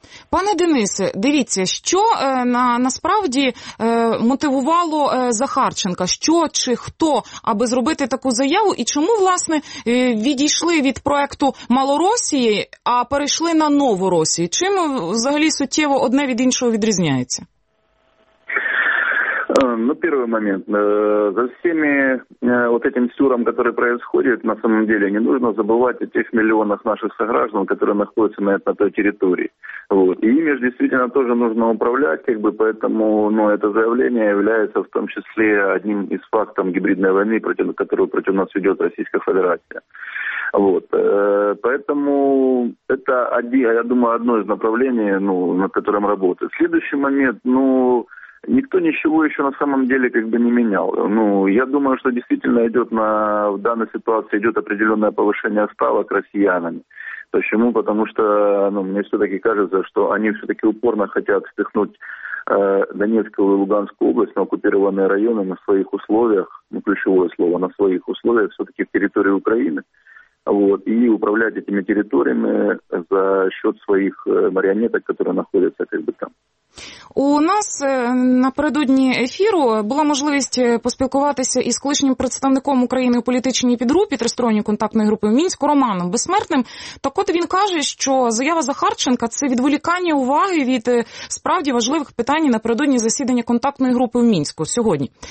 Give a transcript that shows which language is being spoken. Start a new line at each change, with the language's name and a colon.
Ukrainian: Пане Денисе, дивіться, що насправді мотивувало Захарченка? Що чи хто, аби зробити таку заяву? І чому, власне, відійшли від проекту «Малоросії», а перейшли на «Нову Росію»? Чим взагалі суттєво одне від іншого відрізняється?
Russian: Ну, первый момент. За всеми вот этим сюром, который происходит, на самом деле, не нужно забывать о тех миллионах наших сограждан, которые находятся на той территории. Вот. И ими же действительно тоже нужно управлять, как бы, поэтому это заявление является в том числе одним из фактов гибридной войны, против нас ведет Российская Федерация. Вот. Поэтому это, я думаю, одно из направлений, над которым работают. Следующий момент, никто ничего еще на самом деле как бы не менял. Я думаю, что действительно идет в данной ситуации определенное повышение ставок россиянами. Почему? Потому что мне все-таки кажется, что они все-таки упорно хотят впихнуть Донецкую и Луганскую область на оккупированные районы на своих условиях, ключевое слово, на своих условиях, все-таки в территории Украины. Вот, и управлять этими территориями за счет своих марионеток, которые находятся как бы там.
Ukrainian: У нас напередодні ефіру була можливість поспілкуватися із колишнім представником України у політичній підгрупі тристоронньої контактної групи в Мінську Романом Безсмертним. Так от він каже, що заява Захарченка – це відволікання уваги від справді важливих питань напередодні засідання контактної групи в Мінську сьогодні.